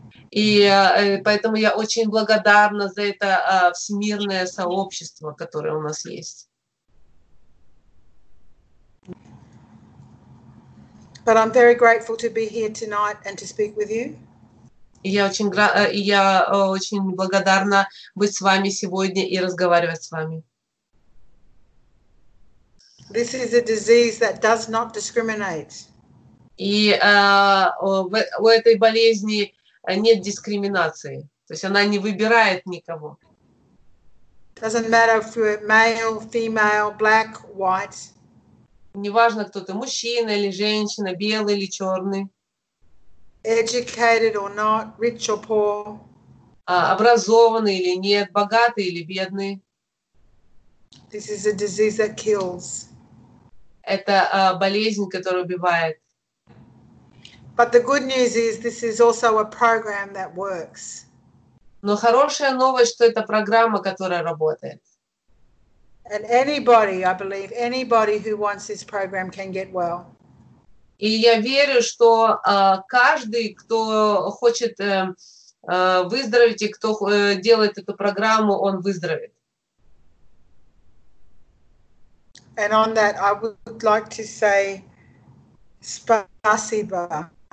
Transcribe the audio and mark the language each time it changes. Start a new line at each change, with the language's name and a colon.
Russian: И поэтому я очень благодарна за это всемирное сообщество, которое у нас есть.
English: But I'm very grateful to be here tonight and to speak with you.
Russian: Я очень благодарна быть с вами сегодня и разговаривать с вами.
English: This is a disease that does not discriminate.
Russian: И у этой болезни нет дискриминации, то есть она не выбирает никого.
English: Doesn't matter if you're male, female, black, white.
Russian: Неважно, кто ты, мужчина или женщина, белый или черный.
English: Educated or not, rich or poor.
Russian: Образованный или нет, богатый или бедный.
English: This is a disease that kills.
Russian: Это болезнь, которая убивает.
English: But the good news is this is also a program that works.
Russian: Но хорошая новость, что это программа, которая работает.
English: And anybody, I believe, anybody who wants this program can get well.
Russian: И я верю, что каждый, кто хочет выздороветь и кто делает эту программу, он выздоровеет.
English: And on that, I would like to say
Russian: спасибо.